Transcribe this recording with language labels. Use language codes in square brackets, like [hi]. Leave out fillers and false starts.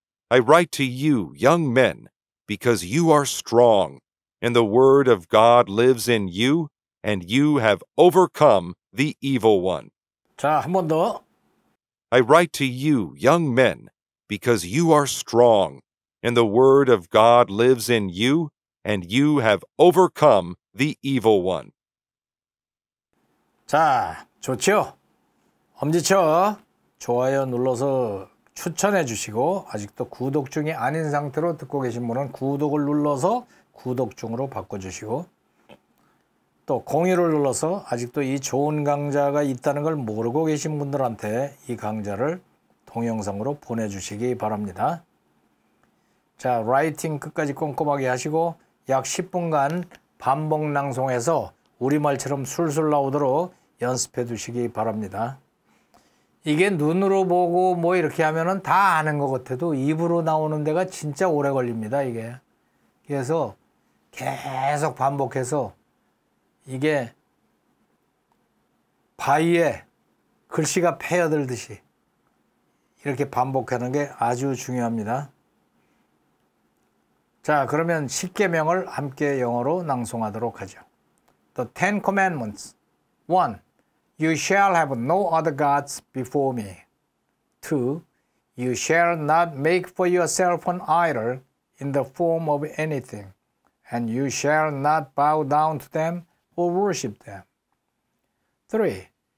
[en] I write to you, young men, because you are strong, and the word of God lives in you, and you have overcome the evil one. [ko] 자, 한 번 더. [en] I write to you, young men, because you are strong, and the word of God lives in you, and you have overcome the evil one. [ko] 자, 좋죠? 엄지쳐 좋아요 눌러서 추천해 주시고 아직도 구독 중이 아닌 상태로 듣고 계신 분은 구독을 눌러서 구독 중으로 바꿔주시고 또 공유를 눌러서 아직도 이 좋은 강좌가 있다는 걸 모르고 계신 분들한테 이 강좌를 동영상으로 보내주시기 바랍니다. 자, 라이팅 끝까지 꼼꼼하게 하시고 약 10분간 반복 낭송해서 우리말처럼 술술 나오도록 연습해 두시기 바랍니다. 이게 눈으로 보고 뭐 이렇게 하면은 다 아는 것 같아도 입으로 나오는 데가 진짜 오래 걸립니다. 이게 그래서 계속 반복해서 이게 바위에 글씨가 패어들듯이 이렇게 반복하는 게 아주 중요합니다. 자, 그러면 10계명을 함께 영어로 낭송하도록 하죠. [en] The Ten Commandments. 1. You shall have no other gods before me. 2. You shall not make for yourself an idol in the form of anything, and you shall not bow down to them or worship them. 3.